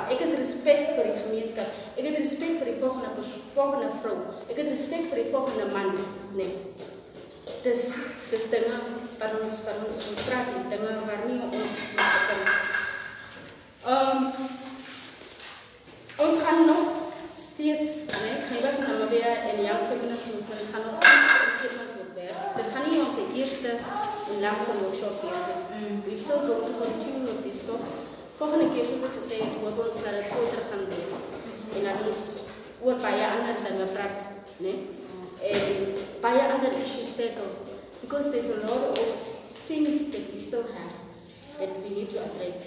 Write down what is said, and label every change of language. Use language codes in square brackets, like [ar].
[af] Ek het respect vir die gemeenskap. Ek het respect vir die volgende vrou. Ek het respect vir die volgende man. Nee. Dis dinge wat ons moet praat. Dinge waar nie ons moet praat. Ons gaan nog steeds, jy was in Namibia en jou feminist movement, gaan ons steeds dit gaan nie ons eerste tweede en laatste workshop lesse. [en] We still going to continue with these talks. [af] Volgende keer, soos ek gesê het, hoop ons dat dit groter gaan wees. En dat ons oor baie ander dinge praat, né? En baie ander issues tackle. [en] Because there's a lot of things that we still have that we need to address.